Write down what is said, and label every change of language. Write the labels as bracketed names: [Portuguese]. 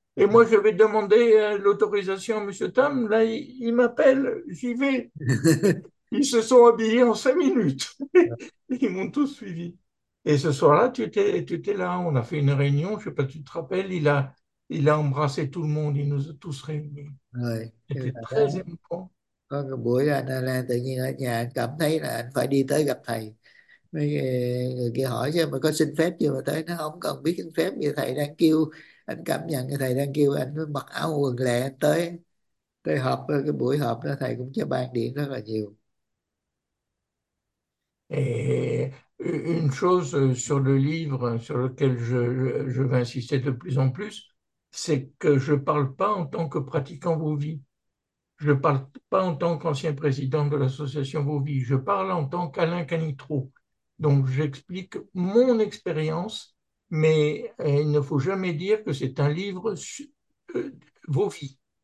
[French] Et moi, je vais demander l'autorisation à M. Tam. Là, il m'appelle, j'y vais. Ils se sont habillés en 5 minutes. Ils m'ont tous suivi. Et ce soir-là, tu étais là. On a fait une réunion. Je ne sais pas si tu te rappelles. Il a embrassé tout le monde. Il nous a tous réunis. [Vietnamese] Rồi, là [French] C'était très émouvant. [Vietnamese] có cái buổi anh là tự nhiên ở nhà anh cảm thấy là anh phải đi tới gặp thầy. Mấy người kia hỏi chứ mà có xin phép chưa mà tới, nó không cần biết xin phép, như thầy đang kêu, anh cảm nhận như thầy đang kêu anh mới mặc áo quần lẹ tới tới họp. Cái buổi họp đó thầy cũng cho ban điện rất là nhiều. [French] Et une chose sur le livre sur lequel je vais insister de plus en plus, c'est que je ne parle pas en tant que pratiquant Wovi. Je ne parle pas en tant qu'ancien président de l'association Wovi. Je parle en tant qu'Alain Canitro. Donc j'explique mon expérience, mais il ne faut jamais dire que c'est un livre Wovi.